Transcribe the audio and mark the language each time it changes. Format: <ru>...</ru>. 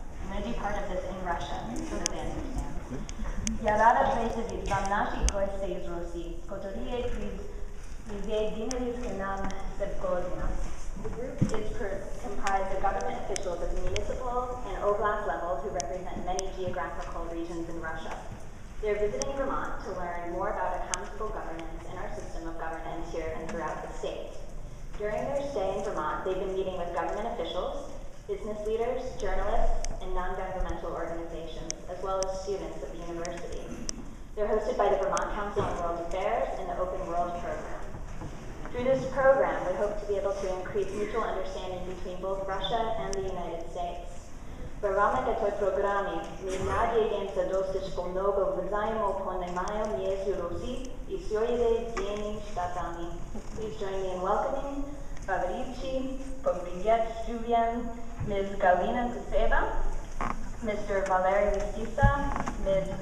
<en>I'm going to do part of this in Russian so that they understand.</en> <ru>Я рада приветствовать вам наши гости из России, которые присоединились к нам сегодня.</ru> <en>This group is comprised of government officials at the municipal and oblast level who represent many geographical regions in Russia. They are visiting Vermont to learn more about accountable governance and our system of governance here and throughout the state. During their stay in Vermont, they've been meeting with government officials, business leaders, journalists, and non-governmental organizations, as well as students at the university. They're hosted by the Vermont Council on World Affairs and the Open World Program. Through this program, we hope to be able to increase mutual understanding between both Russia and the United States.</en> <ru>В рамках этого программы мы надеемся достичь полного взаимопонимания между Россией и Соединенными Штатами.</ru> <en>Please join me in welcoming Favричи, Помбиньяк, Сувьян, Ms. Галина Кусева, Mr. Валерий Вестиса, Ms.</en>